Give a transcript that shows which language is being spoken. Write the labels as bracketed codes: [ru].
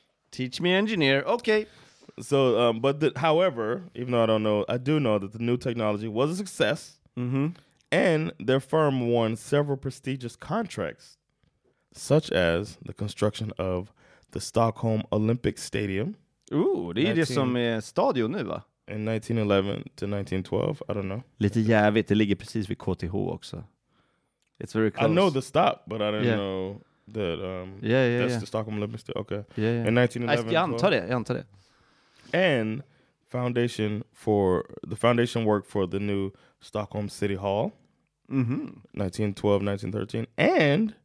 [en] Teach me engineer. Okay. So, however, even though I don't know, I do know that the new technology was a success, mm-hmm. and their firm won several prestigious contracts, such as the construction of the Stockholm Olympic Stadium. [sv] Ooh, det är det som är stadion nu, va? [en] In 1911 to 1912, I don't know. [sv] Lite jävligt, det ligger precis vid KTH också. [en] It's very close. I know the stop, but I didn't know that the Stockholm Olympic Stadium. Okay. Yeah. In 1911. [sv] Jag antar det. [en] And foundation work for the new Stockholm City Hall, mm-hmm. 1912, 1913, and